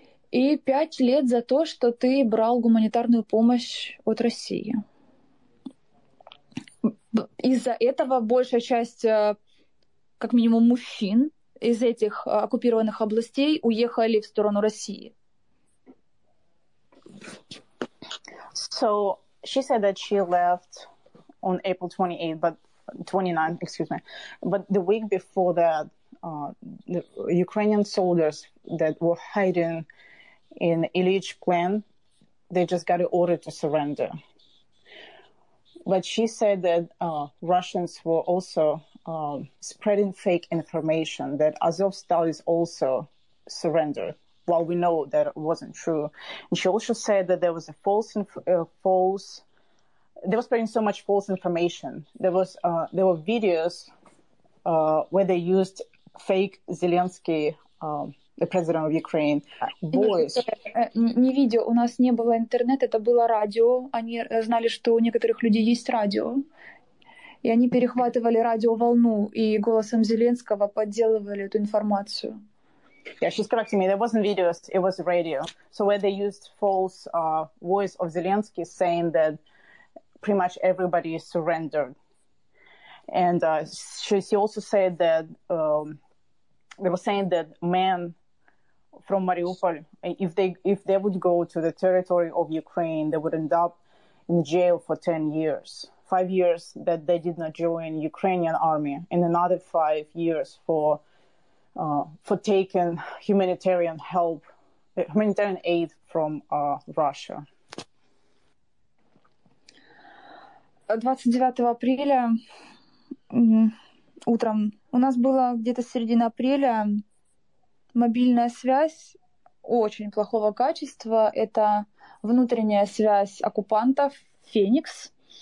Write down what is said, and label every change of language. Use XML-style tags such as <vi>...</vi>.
<ru>И 5 лет за то, что ты брал гуманитарную помощь от России. Из-за этого большая часть, как минимум, мужчин из этих оккупированных областей уехали в сторону России.</ru> <en>So she said that she left on April 28th, but 29th, excuse me. But the week before that, the Ukrainian soldiers that were hiding in Ilyich plan, they just got an order to surrender. But she said that Russians were also spreading fake information that Azovstal is also surrendered, while we know that it wasn't true. And she also said that there was a false, they were spreading so much false information. There was there were videos where they used fake Zelensky, the president of Ukraine, voice.</en> <ru>Не видео, у нас не было интернета, это было радио. Они знали, что у некоторых людей есть радио. И они перехватывали радиоволну и голосом Зеленского подделывали эту информацию.</ru> <en>Yeah, she's correcting me. There wasn't videos, it was radio. So where they used false voice of Zelensky saying that pretty much everybody is surrendered. And she also said that they were saying that men from Mariupol, if they would go to the territory of Ukraine, they would end up in jail for 10 years. 5 years that they did not join Ukrainian army, and another 5 years for taking humanitarian help, humanitarian aid from Russia.</en> <ru>29 апреля утром, у нас было где-то середина апреля, мобильная связь очень плохого качества, это внутренняя связь оккупантов «Феникс».</ru>